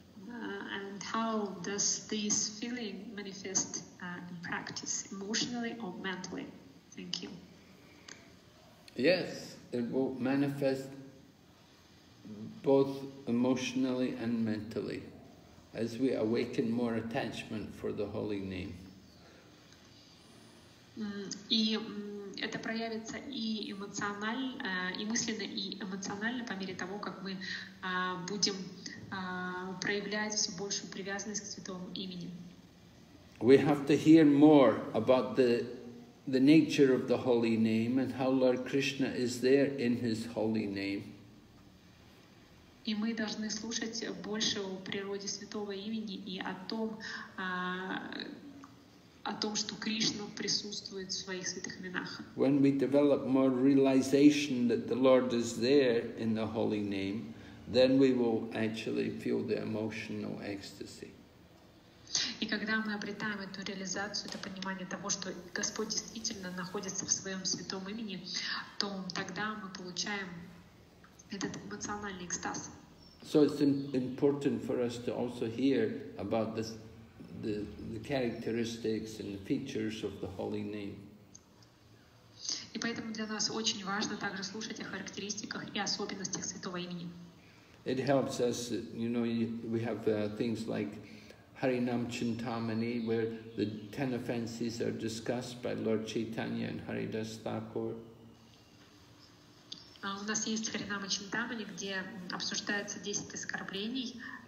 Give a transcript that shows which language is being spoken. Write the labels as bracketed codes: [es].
[en] And how does this feeling manifest in practice, emotionally or mentally? Thank you. Yes, it will manifest both emotionally and mentally as we awaken more attachment for the holy name. [ru] И это проявится и эмоционально, и мысленно, и эмоционально по мере того, как мы будем проявлять все большую привязанность к Святому имени. [en] We have to hear more about the nature of the holy name and how Lord Krishna is there in his holy name. [ru] И мы должны слушать больше о природе Святого имени и о том, что Кришна присутствует в своих святых именах. [en] When we develop more realization that the Lord is there in the holy name, then we will actually feel the emotional ecstasy. [ru] И когда мы обретаем эту реализацию, это понимание того, что Господь действительно находится в своем святом имени, то тогда мы получаем этот эмоциональный экстаз. [en] So it's important for us to also hear about this. The characteristics and the features of the holy name. [ru] И поэтому для нас очень важно также слушать о характеристиках и особенностях святого имени. [en] It helps us, you know, we have things like Harinam Chintamani, where the 10 offenses are discussed by Lord Chaitanya and Haridas Thakur. [ru] У нас есть Харинам Чинтамани, где обсуждается 10 оскорблений.